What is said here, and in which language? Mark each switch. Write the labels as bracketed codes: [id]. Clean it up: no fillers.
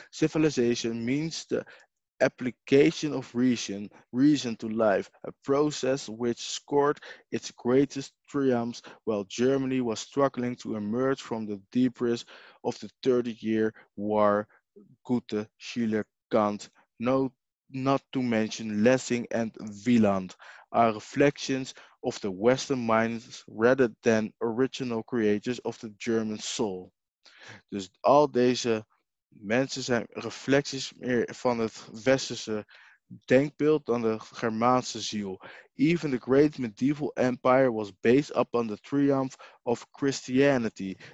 [nl] Civilization means the application of reason to life, a process which scored its greatest triumphs while Germany was struggling to emerge from the deepest of the 30-year war, Goethe, Schiller, Kant, not to mention Lessing and Wieland, are reflections of the Western minds rather than original creators of the German soul. Dus al deze mensen zijn reflecties meer van het westerse denkbeeld dan de Germaanse ziel. [en] Even the great medieval empire was based upon the triumph of Christianity.